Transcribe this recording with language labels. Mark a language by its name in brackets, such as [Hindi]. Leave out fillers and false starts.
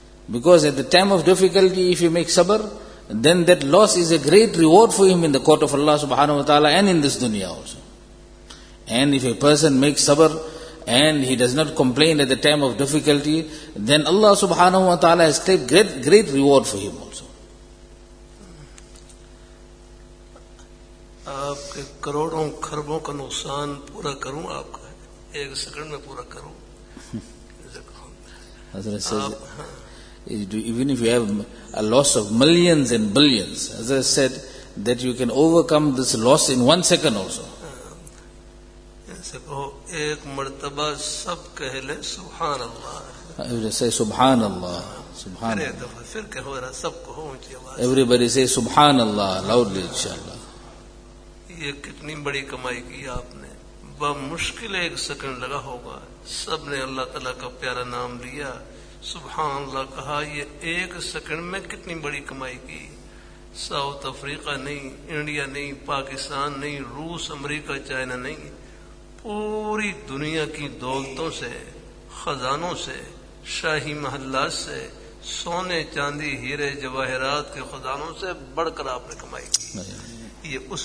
[English] Because at the time of difficulty, if you make sabr, then that loss is a great reward for him in the court of Allah subhanahu wa ta'ala and in this dunya also. And if a person makes sabr and he does not complain at the time of difficulty, then Allah subhanahu wa ta'ala has kept great, great reward for him also. [Urdu] آپ کے کروڑوں خربوں کا نقصان پورا کروں, آپ کا ایک سیکنڈ میں پورا کروں. [English] حضرت said, even if you have a loss of millions and billions, حضرت said that you can overcome this loss in one second also. [Urdu] ایسے کہو ایک مرتبہ سب کہہ لے سبحان اللہ. [English] حضرت said سبحان اللہ, سبحان [Urdu] اللہ, پھر کہو سب کہو اونچی آواز. [English] Everybody say سبحان اللہ loudly انشاءاللہ. [Urdu] یہ کتنی بڑی کمائی کی آپ نے, بمشکل ایک سیکنڈ لگا ہوگا, سب نے اللہ تعالیٰ کا پیارا نام لیا, سبحان اللہ کہا, یہ ایک سیکنڈ میں کتنی بڑی کمائی کی. ساؤتھ افریقہ نہیں, انڈیا نہیں, پاکستان نہیں, روس, امریکہ, چائنا نہیں, پوری دنیا کی دولتوں سے, خزانوں سے, شاہی محلات سے, سونے چاندی ہیرے جواہرات کے خزانوں سے بڑھ کر آپ نے کمائی کی.